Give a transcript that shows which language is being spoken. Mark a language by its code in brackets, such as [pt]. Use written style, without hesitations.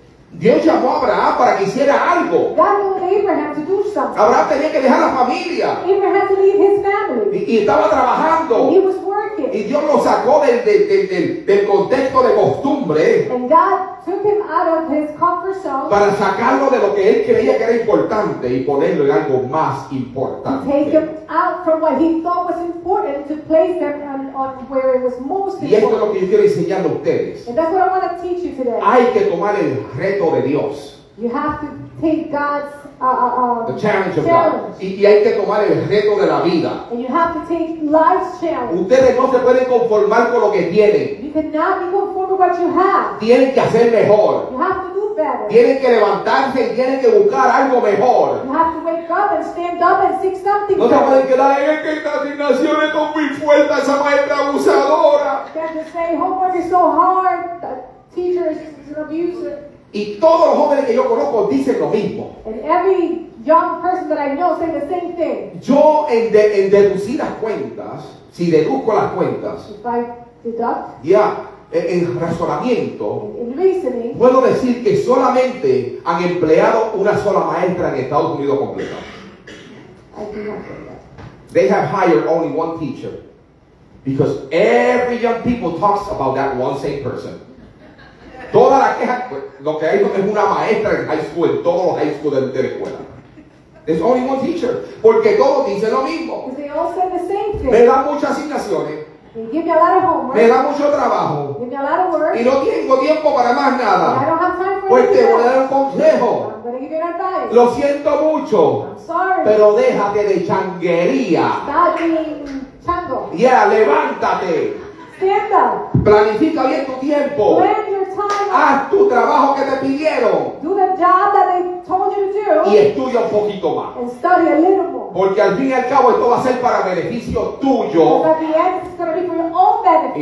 [es] Dios llamó a Abraham para que hiciera algo. Abraham tenía que dejar la familia. [en] Abraham had to leave his family. [es] Y estaba trabajando. [en] And he was working. [es] Y Dios lo sacó del contexto de costumbre. [en] And God took him out of his comfort zone. [es] Para sacarlo de lo que él creía que era importante y ponerlo en algo más importante. [en] He took him out from what he thought was important to place them on where it was most important. [es] Y esto es lo que yo quiero enseñarle a ustedes. [en] And that's what I want to teach you today. [es] Hay que tomar el reto de Dios. [en] You have to take God's the challenge of God. [es] Y hay que tomar el reto de la vida. [en] And you have to take life's challenge. [es] Ustedes no se pueden conformar con lo que tienen. [en] You cannot be conformed with what you have. [es] Tienen que hacer mejor. [en] You have to do better. [es] Tienen que levantarse y tienen que buscar algo mejor. [en] You have to wake up and stand up and seek something [es] no [en] better. [es] No se pueden quedar en esta asignación con mi fuerza, esa maestra abusadora. [en] Can't just say homework is so hard. The teacher is just an abuser. [es] Y todos los jóvenes que yo conozco dicen lo mismo. [en] And every young person that I know say the same thing. [es] Yo en deducir las cuentas, si deduzco las cuentas, [en] if I deduct, [es] en razonamiento, [en] in reasoning, [es] puedo decir que solamente han empleado una sola maestra en Estados Unidos completa. [en] They have hired only one teacher. Because every young people talks about that one same person. [es] Toda la queja, lo que hay es una maestra en high school, en todos los high school de la escuela. [en] There's only one teacher. [es] Porque todos dicen lo mismo. [en] They all say the same thing. [es] Me da muchas asignaciones. [en] They give me a lot of homework. [es] Me da mucho trabajo. [en] Give me a lot of work. [es] Y no tengo tiempo para más nada. [en] I don't have time for [es] pues te voy a dar un consejo. [en] I'm gonna give you advice. [es] Lo siento mucho. [en] I'm sorry. [es] Pero déjate de changuería. [en] Stop being chango. [es] Yeah, levántate. [en] Stand up. [es] Planifica bien tu tiempo. Haz tu trabajo que te pidieron. [en] Do the job that they told you to do. [es] Y estudia un poquito más. [en] And study a little more. [es] Porque al fin y al cabo esto va a ser para beneficio tuyo. [en] But at the end it's going to be for your own benefit.